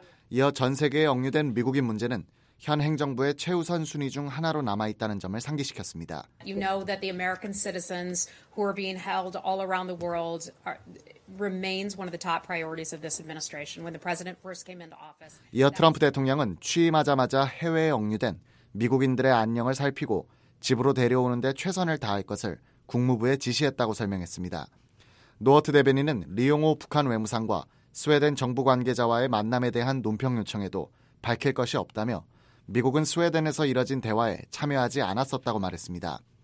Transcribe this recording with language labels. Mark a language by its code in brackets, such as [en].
[ko] 이어 전 세계에 억류된 미국인 문제는 현 행정부의 최우선 순위 중 하나로 남아 있다는 점을 상기시켰습니다. [en] You know that the American citizens who are being held all around the world remains one of the top priorities of this administration. When the president first came into office, [ko] 이어 트럼프 대통령은 취임하자마자 해외에 억류된 미국인들의 안녕을 살피고 집으로 데려오는 데 최선을 다할 것을 국무부에 지시했다고 설명했습니다. 노어트 대변인은 리용호 북한 외무상과 스웨덴 정부 관계자와의 만남에 대한 논평 요청에도 밝힐 것이 없다며 미국은 스웨덴에서 이뤄진 대화에 참여하지 않았었다고 말했습니다.